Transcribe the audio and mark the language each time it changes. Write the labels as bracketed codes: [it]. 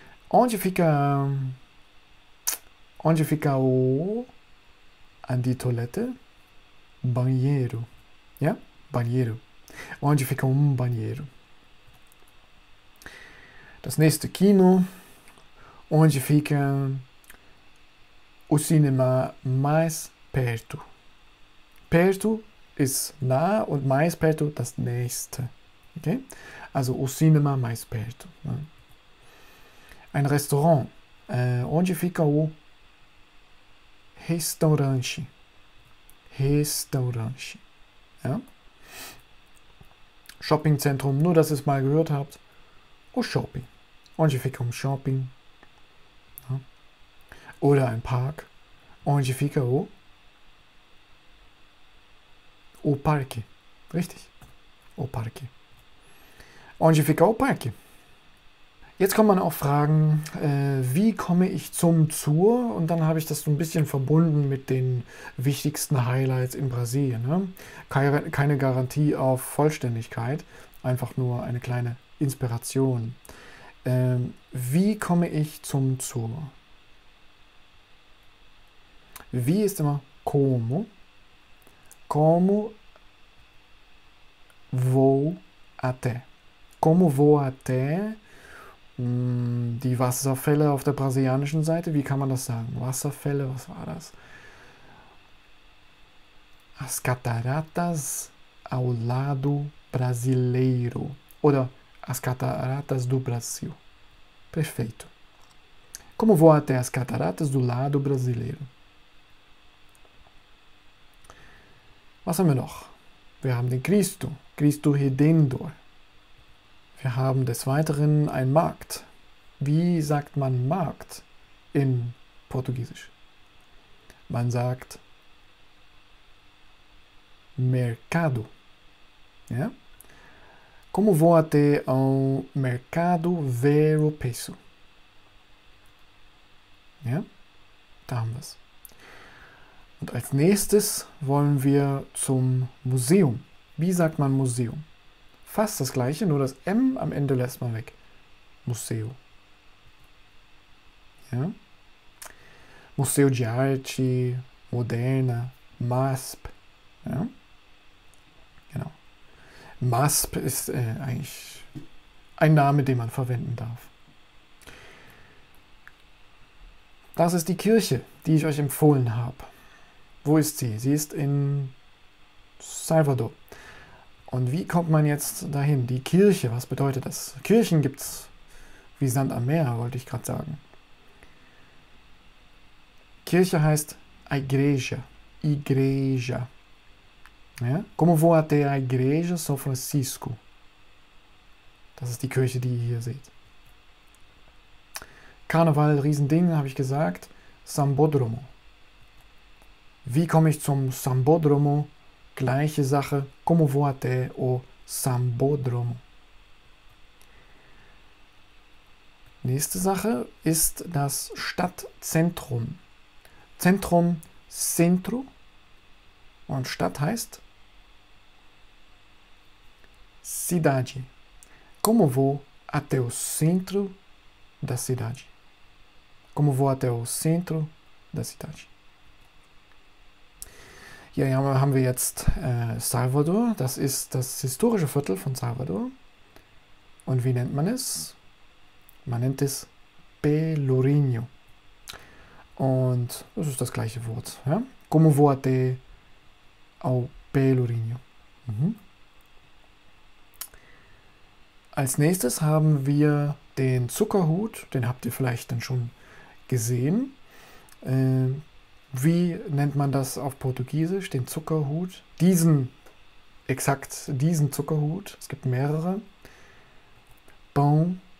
[pt] Onde fica o a de toilette? Banheiro. Ja? Banheiro. Onde fica um banheiro? [de] Das nächste Kino. [pt] Onde fica o cinema mais perto? [de] Perto ist nah und mais perto das nächste. Okay? Also [pt] o cinema mais perto. [de] Ne? Ein Restaurant. [pt] Onde fica o restaurante? Restaurante. Ja? [de] Shoppingzentrum, nur dass ihr es mal gehört habt. [pt] O shopping. Onde fica um shopping? Ja. [de] Oder ein Park. [pt] Onde fica o? O parque. Richtig. O parque. Onde fica o parque? [de] Jetzt kann man auch fragen, wie komme ich zum Tour? Und dann habe ich das so ein bisschen verbunden mit den wichtigsten Highlights in Brasilien. Ne? Keine Garantie auf Vollständigkeit, einfach nur eine kleine Inspiration. Wie komme ich zum Tour? Wie ist immer [pt] como? Como vou até? Como vou até? [de] Die Wasserfälle auf der brasilianischen Seite, wie kann man das sagen? Wasserfälle, was war das? [pt] As cataratas ao lado brasileiro. Oder as cataratas do Brasil. Perfeito. Como vou até as cataratas do lado brasileiro? [de] Was haben wir noch? Wir haben den Cristo. Cristo Redentor. Wir haben des Weiteren ein Markt. Wie sagt man Markt in Portugiesisch? Man sagt Mercado. Ja? [pt] Como vou até ao Mercado ver o preço? [de] Ja? Da haben wir es. Und als nächstes wollen wir zum Museum. Wie sagt man Museum? Fast das gleiche, nur das M am Ende lässt man weg. [pt] Museo. Ja? Museo de Arte, Moderna, MASP. Ja? Genau. [de] MASP ist eigentlich ein Name, den man verwenden darf. Das ist die Kirche, die ich euch empfohlen habe. Wo ist sie? Sie ist in Salvador. Und wie kommt man jetzt dahin? Die Kirche, was bedeutet das? Kirchen gibt es wie Sand am Meer, wollte ich gerade sagen. Kirche heißt Igreja. Igreja. Ja? [pt] Como vou até a Igreja São Francisco? [de] Das ist die Kirche, die ihr hier seht. Karneval, Riesending, habe ich gesagt. Sambódromo. Wie komme ich zum Sambódromo? Gleiche Sache, [pt] como vou até o Sambódromo. [de] Nächste Sache ist das Stadtzentrum. Zentrum, Centro. Und Stadt heißt Cidade. [pt] Como vou até o centro da cidade? Como vou até o centro da cidade? [de] Hier haben wir jetzt Salvador, das ist das historische Viertel von Salvador. Und wie nennt man es? Man nennt es Pelourinho. Und das ist das gleiche Wort. Ja? [pt] Como vou até ao Pelourinho? Mhm. [de] Als nächstes haben wir den Zuckerhut, den habt ihr vielleicht dann schon gesehen. Wie nennt man das auf Portugiesisch, den Zuckerhut? Diesen, exakt diesen Zuckerhut. Es gibt mehrere. Pão.